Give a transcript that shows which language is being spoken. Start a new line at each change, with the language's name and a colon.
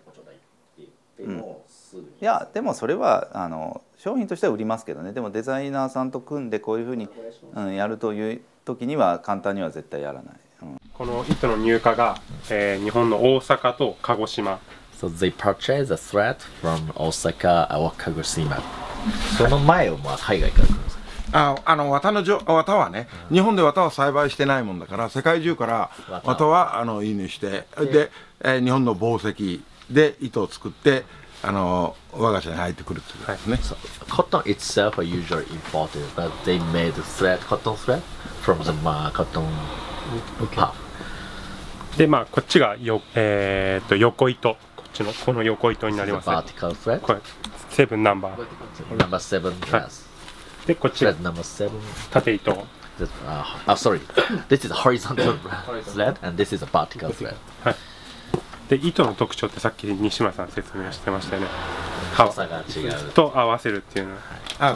Japanese: ね。いや、でもそれは商品としては売りますけどね。でもデザイナーさんと組んでこういうふうに、やるという時には簡単には絶対やらない。この糸の入荷が、日本の大阪と鹿児島。
English: So they purchase a thread from Osaka or Kagoshima.
Japanese: その前を、まあ、海外から来るんですか？綿はね、日本で綿は栽培してないもんだから、世界中から綿は輸入して、で、日本の紡績で糸を作って、我が社に入ってくるということですね。
English: So, cotton itself are usually imported, but they made thread, cotton thread from the cotton puff.
Japanese: で、まあ、こっちがよ、横糸、この横糸になります
English: This is a vertical thread.
Japanese: これ、セブンナンバー。
English: Number seven, yes.
Japanese: で、こっち、
English: Thread number seven.
Japanese: 縦糸。
English: Sorry. This is a horizontal thread, and this is a vertical thread.
Japanese: で、糸の特徴ってさっき西村さん説明してましたよね。太さが違うと合わせるっていうのは。